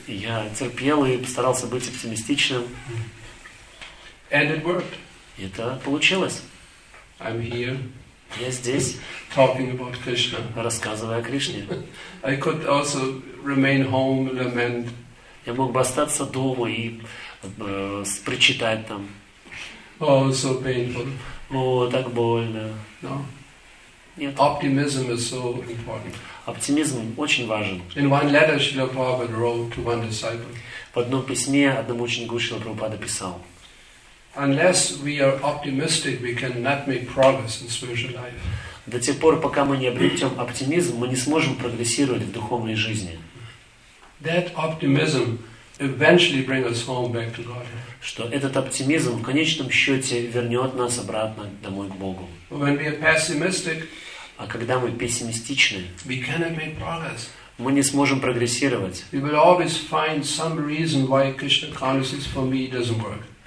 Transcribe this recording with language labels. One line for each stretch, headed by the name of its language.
Russian: Я терпел и постарался быть оптимистичным.
English: And it worked.
Russian: И это получилось.
English: I'm here.
Russian: Я здесь.
English: Talking about Krishna.
Russian: Рассказывая о Кришне.
English: I could also remain home and lament.
Russian: Я мог бы остаться дома и прочитать там.
English: Oh, so painful.
Russian: О, так больно.
English: No.
Russian: Нет.
English: Optimism is so important.
Russian: Оптимизм очень важен.
English: In one letter Srila Prabhupada wrote to one disciple.
Russian: В одном письме одному ученику Шрила Прабхупада писал.
English: Unless we are optimistic, we cannot make progress in spiritual life.
Russian: До тех пор, пока мы не обретем оптимизм, мы не сможем прогрессировать в духовной жизни.
English: That optimism eventually bring us home back to God.
Russian: Что этот оптимизм в конечном счете вернет нас обратно домой к Богу.
English: When we are pessimistic,
Russian: а когда мы пессимистичны,
English: we cannot make progress.
Russian: Мы не сможем прогрессировать.
English: We will always find some reason why Krishna consciousness for me doesn't work.